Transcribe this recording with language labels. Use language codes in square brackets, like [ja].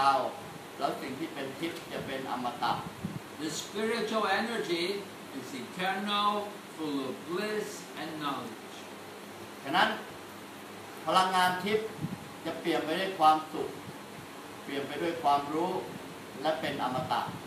[th] ตกลงก็จะมีวัตถุแล้วก็มีทิพย์แล้วก็วัตถุก็จะเป็นสิ่งที่ชั่วคราวแล้วสิ่งที่เป็นทิพย์จะเป็นอมตะ [en] The spiritual energy is eternal full of bliss and knowledge. [th] ฉะนั้นพลังงานทิพย์จะเปลี่ยนไปด้วยความสุขเปลี่ยนไปด้วยความรู้และเป็นอมตะ